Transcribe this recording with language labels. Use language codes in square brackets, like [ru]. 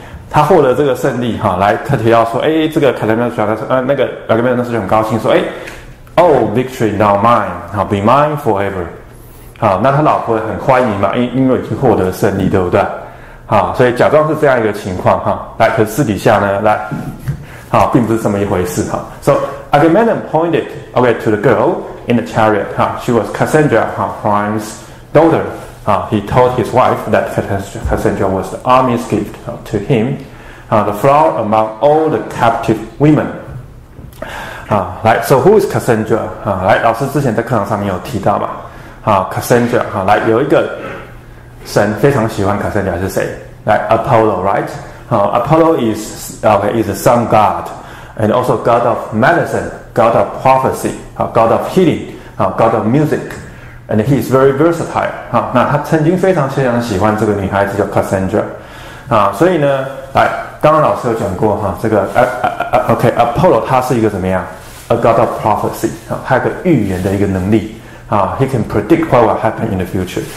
[zh] 他获得这个胜利哈，来特提到说，哎，这个 Clytemnestra 他说，那个 Agamemnon 那时候很高兴，说，哎 ， [en] Oh, victory now mine, [zh] 好 ， [en] be mine forever, [zh] 好，那他老婆很欢迎嘛，因为已经获得胜利，对不对？好，所以假装是这样一个情况哈，来，可是私底下呢，来，好，并不是这么一回事哈。 [en] So Agamemnon pointed, okay, to the girl in the chariot, she was Cassandra, Priam's daughter. He told his wife that Cassandra was the army's gift to him, the flower among all the captive women. [zh] 来 ， [en] so who is Cassandra? [zh] 来，老师之前在课堂上面有提到嘛？ Cassandra 来，有一个神非常喜欢 Cassandra 是谁？ [en] 来 ，Apollo, right? Apollo is okay, is a sun god, and also god of medicine, god of prophecy, god of healing, god of music. And he is very versatile. [zh] 那他曾经非常非常喜欢这个女孩子叫 Cassandra. 所以呢，来，刚刚老师有讲过哈，这个Apollo 他是一个怎么样 ？ [en] A god of prophecy. [zh] 他有个预言的一个能力。 [en] He can predict what will happen in the future.